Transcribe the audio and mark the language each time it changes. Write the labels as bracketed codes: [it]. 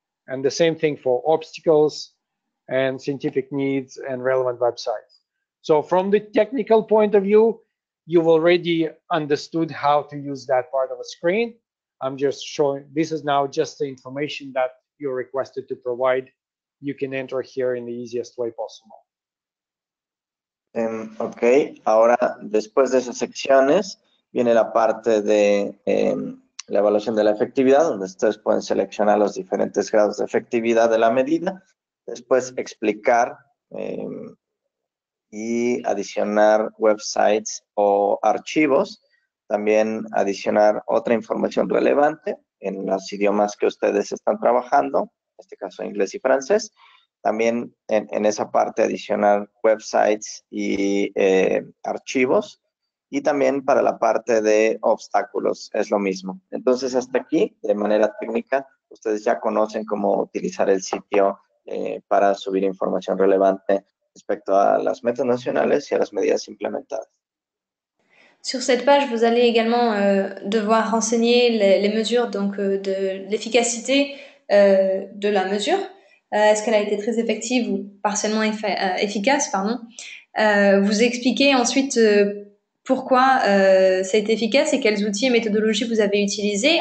[en] And the same thing for obstacles and scientific needs and relevant websites. So from the technical point of view, you've already understood how to use that part of a screen. I'm just showing, this is now just the information that you're requested to provide. You can enter here in the easiest way possible. [es] Okay, ahora después de esas secciones, viene la parte de la evaluación de la efectividad, donde ustedes pueden seleccionar los diferentes grados de efectividad de la medida, después explicar, y adicionar websites o archivos, también adicionar otra información relevante en los idiomas que ustedes están trabajando, en este caso inglés y francés, también en esa parte adicionar websites y archivos, y también para la parte de obstáculos, es lo mismo. Entonces hasta aquí, de manera técnica, ustedes ya conocen cómo utilizar el sitio para subir información relevante respecto a las metas nacionales y a las medidas implementadas. [fr] Sur cette page, vous allez également devoir renseigner les mesures donc de l'efficacité de la mesure. Est-ce qu'elle a été très effective ou partiellement efficace, pardon. Vous expliquez ensuite pourquoi ça a été efficace et quels outils et méthodologies vous avez utilisés.